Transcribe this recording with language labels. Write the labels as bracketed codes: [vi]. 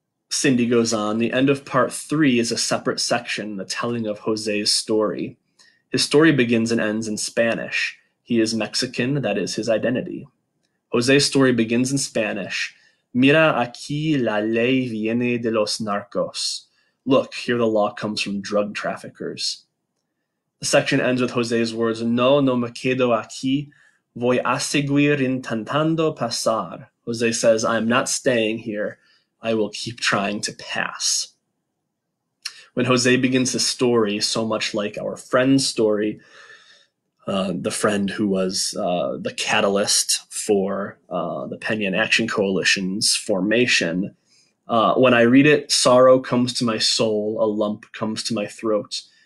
[en] Cindy goes on, the end of part three is a separate section, the telling of Jose's story. His story begins and ends in Spanish. He is Mexican, that is his identity. Jose's story begins in Spanish. [es] Mira aquí la ley viene de los narcos. [en] Look, here the law comes from drug traffickers. The section ends with Jose's words, [es] no, no me quedo aquí. Voy a seguir intentando pasar. [en] Jose says, I am not staying here. I will keep trying to pass. When Jose begins his story, so much like our friend's story, the friend who was the catalyst for the Penny and Action Coalition's formation, when I read it, sorrow comes to my soul, a lump comes to my throat.